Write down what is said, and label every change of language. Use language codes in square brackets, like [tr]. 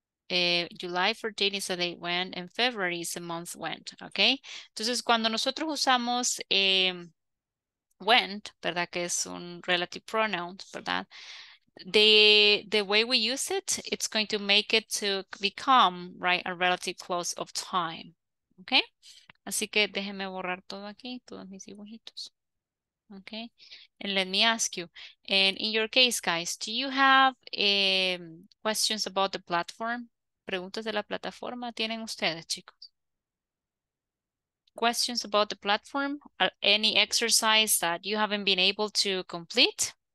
[en] July 14 is a day when. And February is a month when, okay? [es] Entonces, cuando nosotros usamos when, ¿verdad? Que es un relative pronoun, ¿verdad? [en] The way we use it, it's going to make it to become, right, a relative clause of time, okay? [es] Así que déjeme borrar todo aquí, todos mis dibujitos, okay? [en] And let me ask you, and in your case, guys, do you have questions about the platform? [es] ¿Preguntas de la plataforma tienen ustedes, chicos? [en] Questions about the platform? Any exercise that you haven't been able to complete?